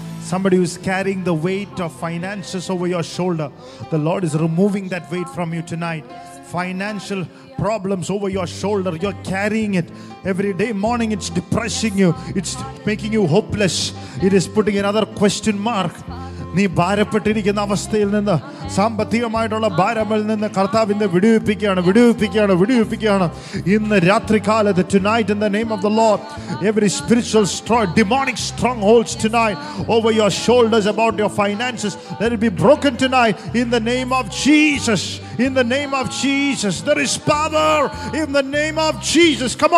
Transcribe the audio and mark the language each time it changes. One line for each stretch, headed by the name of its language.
English: Somebody who is carrying the weight of finances over your shoulder, the Lord is removing that weight from you tonight. Financial problems over your shoulder, you're carrying it every day morning. It's depressing you, it's making you hopeless, it is putting another question mark.
Malayalam: നീ ഭാരപ്പെട്ടിരിക്കുന്ന അവസ്ഥയിൽ നിന്ന്, സാമ്പത്തികമായിട്ടുള്ള ഭാരമിൽ നിന്ന് കർത്താവിനെ വിടുവിപ്പിക്കുകയാണ് ഇന്ന് രാത്രികാലത്ത്.
English: Tonight in the name of the Lord, every spiritual strong demonic strongholds tonight over your shoulders about your finances, let it be broken tonight in the name of Jesus. In the name of Jesus, there is power in the name of Jesus.